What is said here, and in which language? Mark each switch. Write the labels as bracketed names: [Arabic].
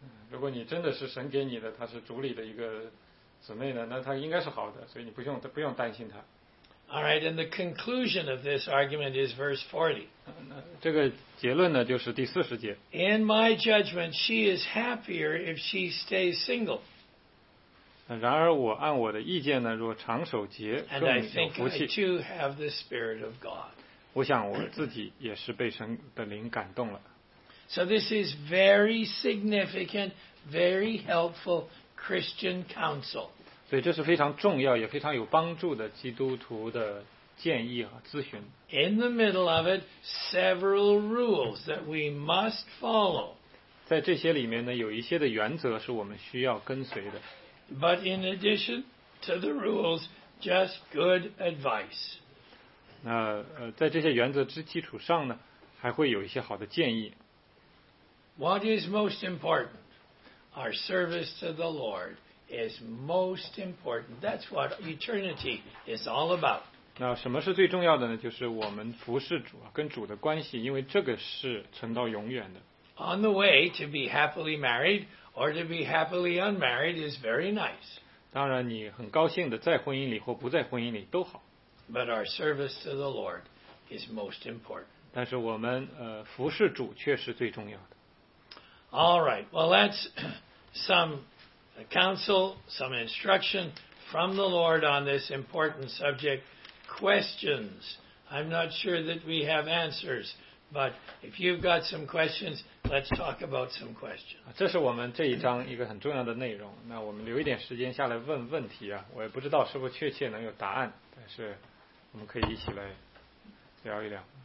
[Chinese] 如果你真的是神给你的，她是主里的一个姊妹呢，那她应该是好的，所以你不用担心她。 [English] All right, and the conclusion of this argument is verse 40. [Chinese] 这个结论呢，就是第四十节。 [English] In my judgment, she is happier if she stays single. [Chinese] 然而我按我的意见呢，若长守节，更有福气。 [English] And I think I too have the Spirit of God. [Chinese] 我想我自己也是被神的灵感动了。 [English] So this is very significant, very helpful Christian counsel. [Chinese] 所以这是非常重要也非常有帮助的基督徒的建议和咨询。 [English] In the middle of it, several rules that we must follow. [Chinese] 在这些里面呢，有一些的原则是我们需要跟随的。 [English] But in addition to the rules, just good advice. [Chinese] 那在这些原则之基础上呢，还会有一些好的建议。 [English] What is most important? Our service to the Lord. Is most important. That's what eternity is all about. [Chinese] 那什么是最重要的呢？就是我们服侍主，跟主的关系，因为这个是存到永远的。 [English] On the way to be happily married or to be happily unmarried is very nice. [Chinese] 当然，你很高兴的在婚姻里或不在婚姻里都好。 [English] But our service to the Lord is most important. [Chinese] 但是我们服侍主却是最重要的。 [English] All right. Well, that's some. A counsel, some instruction from the Lord on this important subject. Questions. I'm not sure that we have answers But if you've got some questions, let's talk about some questions. [Chinese] 这是我们这一章一个很重要的内容。那我们留一点时间下来问问题啊。我也不知道是不是确切能有答案，但是我们可以一起来聊一聊。